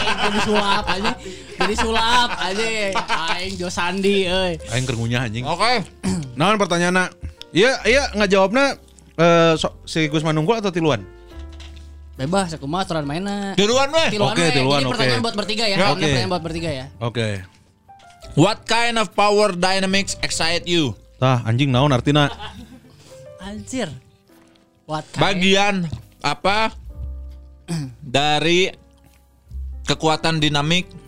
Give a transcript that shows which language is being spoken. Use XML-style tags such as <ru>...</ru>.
<su>Jadi sulap anjing. Aing Jo Sandi euy. Aing keur ngunyah anjing. Oke. Naon pertanyaanna? Iya ngajawabna si Gusman nunggul atau tiluan? Bebas aku mah aturan mainna. Tiluan weh. Oke, tiluan.</su> <id>Ini pertanyaan buat bertiga ya. Oke. Pertanyaan buat bertiga ya. Oke.</id> <en>What kind of power dynamics excite you?</en> <su>Tah, anjing naon artinya?</su> <id>Anjir.</id> <en>What kind?</en> <id>Bagian apa dari kekuatan dinamik?</id>